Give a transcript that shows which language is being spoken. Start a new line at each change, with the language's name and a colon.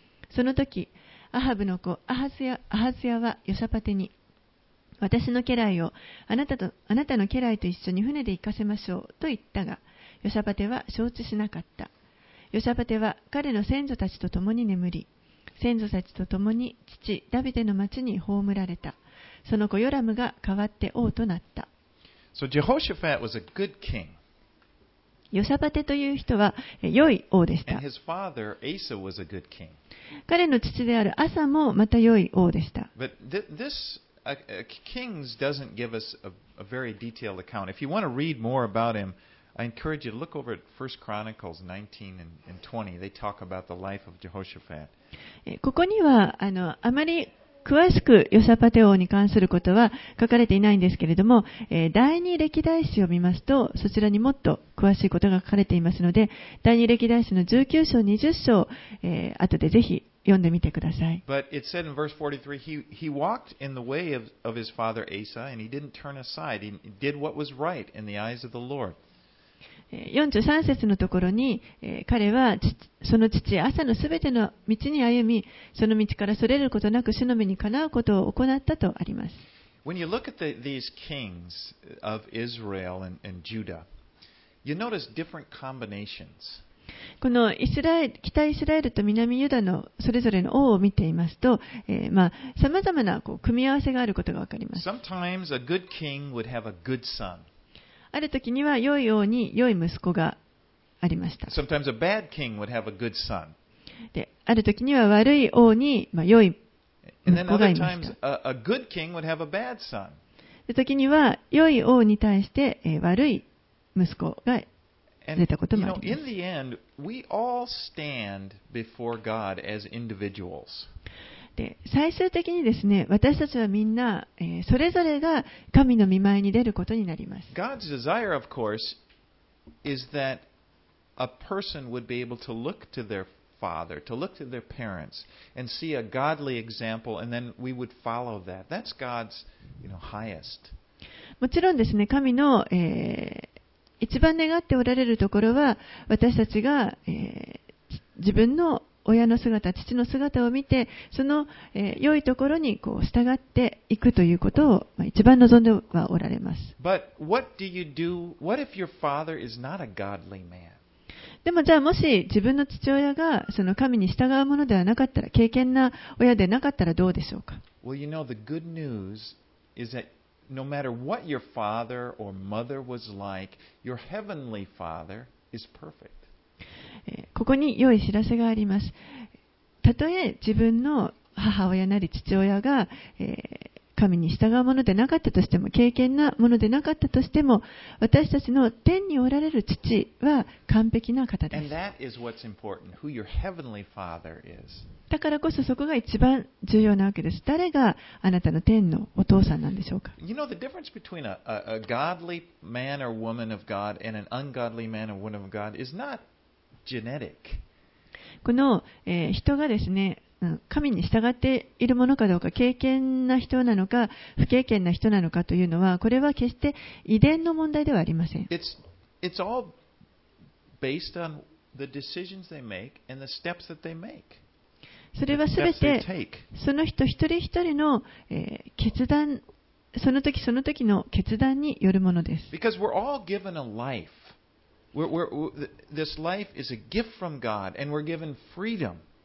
Japanese: その時アハブの子アハズヤはヨシャパテに、私の家来をあなたの家来と一緒に船で行かせましょうと言ったが、ヨシャパテは承知しなかった。ヨシャパテは彼の先祖たちと共に眠り、先祖たちと共に父ダビデの町に葬られた。その子ヨラムが代わって王となった。
English: So Jehoshaphat was a good king.
Japanese: ヨシャパテという人は良い王でした。
English: And his father Asa was a good king.
Japanese: 彼の父であるアサもまた良い王でした。
English: But this... Kings doesn't give us a very detailed account. If you want to read more about him, I encourage you to look over at 1 Chronicles 19 and 20. They talk about the life of Jehoshaphat.
Japanese: ここにはあまり詳しくヨシャパテ王に関することは書かれていないんですけれども、第二歴代史を見ますと、そちらにもっと詳しいことが書かれていますので、第二歴代史の19章、20章、後でぜひ読んでみてください。
English: But it said in verse 43, he walked in the way of his father Asa, and he didn't turn aside. He did what was right in the eyes of the Lord.
Japanese: 43節のところに、彼はその父アサのすべての道に歩み、その道からそれることなく主の目にかなうことを行ったとあります。
English: When you look at these kings of Israel and Judah, you notice different combinations.
Japanese: このイスラエル、北イスラエルと南ユダのそれぞれの王を見ていますと、さまざまなこう組み合わせがあることがわかります。
English: Sometimes a good king would have a good son.
Japanese: ある時には良い王に良い息子がありました。
English: Sometimes a bad king would have a good son.
Japanese: で、ある時には悪い王に、良い息子がいました。
English: And then other times a good king would have a bad son.
Japanese: で、時には良い王に対して、悪い息子が出たこともあります。
English: And, in the end, we all stand before God as individuals.
Japanese: で、最終的にですね、私たちはみんな、それぞれが神の御前に出ることになります。
English: God's desire, of course, is that a person would be able to look to their father, to look to their parents and see a godly example, and then we would follow that. That's God's, you know, highest.
Japanese: もちろんですね、神の、一番願っておられるところは、私たちが、自分の親の姿、父の姿を見て、その、良いところにこう従っていくということを、まあ、一番望んではおられます。
English: But what do you do? What if your father is not a godly man?
Japanese: でもじゃあもし自分の父親がその神に従うものではなかったら、敬虔な親でなかったらどうでしょうか。
English: Well, you know, the good news is that no matter what your father or mother was like, your heavenly father is perfect.
Japanese: ここに良い知らせがあります。たとえ自分の母親なり父親が、神に従うものでなかったとしても、敬虔なものでなかったとしても、私たちの天におられる父は完璧な方です。
English: And that is what's important, who your heavenly father is.
Japanese: だからこそそこが一番重要なわけです。誰があなたの天のお父さんなんでしょうか。
English: You know, the difference between a godly man or woman of God and an ungodly man or woman of God is not genetic.
Japanese: この、人がですね、神に従っているものかどうか、敬虔な人なのか不敬虔な人なのかというのは、これは決して遺伝の問題ではありません。
English: It's all based on the decisions they make and the steps that they make.
Japanese: それはすべてその人一人一人の、決断、その時その時の決断によるものです。
English: Because we're all given a life. We're this life is a gift from God and we're given freedom.